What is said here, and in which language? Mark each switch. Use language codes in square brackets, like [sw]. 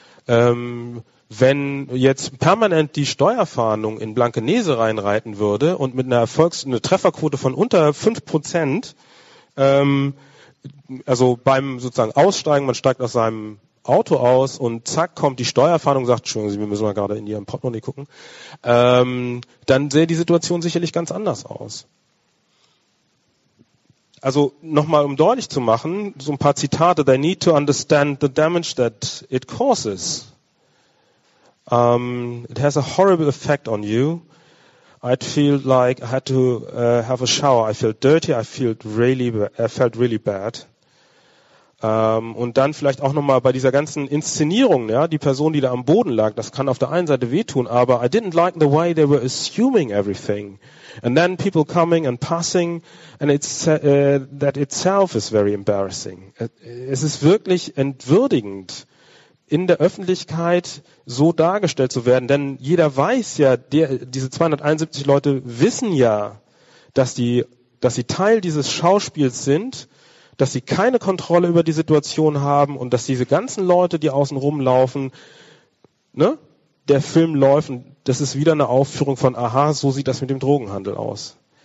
[de] Wenn jetzt permanent die Steuerfahndung in Blankenese reinreiten würde und mit einer eine Trefferquote von unter 5%, also beim sozusagen Aussteigen, man steigt aus seinem Auto aus und zack kommt die Steuerfahndung, sagt, Entschuldigung, wir müssen mal gerade in Ihrem Portemonnaie gucken, dann sähe die Situation sicherlich ganz anders aus. Also nochmal, um deutlich zu machen, so ein paar Zitate. [en] They need to understand the damage that it causes. It has a horrible effect on you. I'd feel like I had to have a shower. I feel dirty. I felt really bad. [de] Und dann vielleicht auch nochmal bei dieser ganzen Inszenierung, ja, die Person, die da am Boden lag, das kann auf der einen Seite wehtun, aber [en] I didn't like the way they were assuming everything. And then people coming and passing, and that itself is very embarrassing. [de] Es ist wirklich entwürdigend, in der Öffentlichkeit so dargestellt zu werden, denn jeder weiß ja, diese 271 Leute wissen ja, dass sie Teil dieses Schauspiels sind, dass sie keine Kontrolle über die Situation haben und dass diese ganzen Leute, die außen rumlaufen, ne, der Film läuft und das ist wieder eine Aufführung von, aha, so sieht das mit dem Drogenhandel aus.